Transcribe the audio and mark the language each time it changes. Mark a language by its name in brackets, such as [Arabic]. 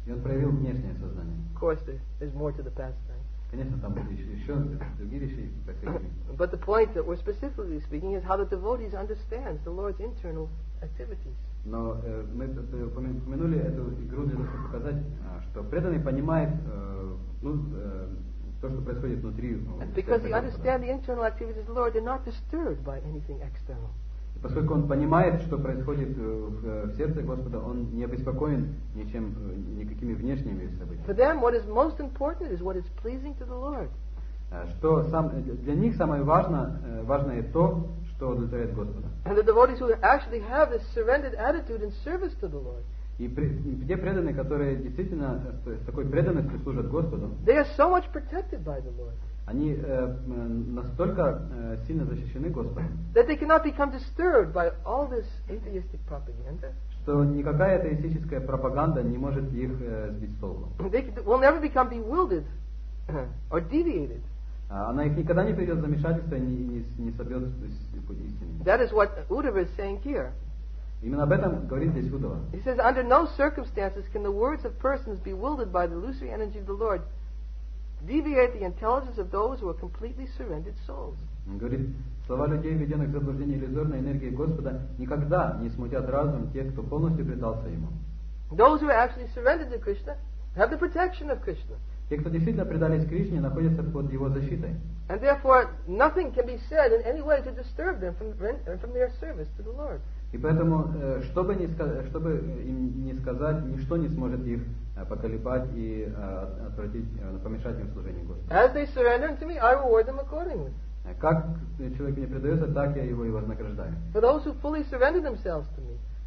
[Russian] И он проявил внешнее сознание. [English] Of course, there's more to the pastime. [Russian] Конечно, там были еще другие вещи. [English] But the point that we're specifically speaking is how the devotees understand the Lord's internal activities. [Russian] Но мы упомянули эту игру для того, чтобы показать, что преданный понимает то, что происходит внутри. [English] Because they understand the internal activities of the Lord, they're not disturbed by anything external. [Russian] Поскольку он понимает, что происходит в сердце Господа, он не обеспокоен ничем, никакими внешними событиями. [English] For them, what is most important is what is pleasing to the Lord. [Russian] Что для них самое важное то, что удовлетворяет Господа. [English] And the devotees who actually have this surrendered attitude in service to the Lord. [Russian] И те преданные, которые действительно с такой преданностью служат Господу. [English] They are so much protected by the Lord. [Russian] Они настолько сильно защищены Господом. [English] That they cannot become disturbed by all this atheistic propaganda. [Russian] Что никакая атеистическая пропаганда не может их сбить с толку. [English] They will never become bewildered or deviated. [Russian] Она их никогда не придет в замешательство и не собьет с пути истины. [English] That is what Uddhava is saying here. [Russian] Именно об этом говорит здесь Уддхава. [English] He says, under no circumstances can the words of persons bewildered by the illusory energy of the Lord deviate the intelligence of those who are completely surrendered souls. [Russian] Он говорит, слова людей, введенных в заблуждение иллюзорной энергией Господа, никогда не смутят разум тех, кто полностью предался Ему. [English] Those who are actually surrendered to Krishna have the protection of Krishna. [Russian] Те, кто действительно предались Кришне, находятся под Его защитой. [English] And therefore, nothing can be said in any way to disturb them from their service to the Lord. [Russian] И поэтому, чтобы им не сказать, ничто не сможет их поколебать и помешать им служению Господу. [English] As they surrender unto me, I reward them accordingly. [Russian] Как человек мне предается, так я его и вознаграждаю. [English] For those who fully surrender themselves to me.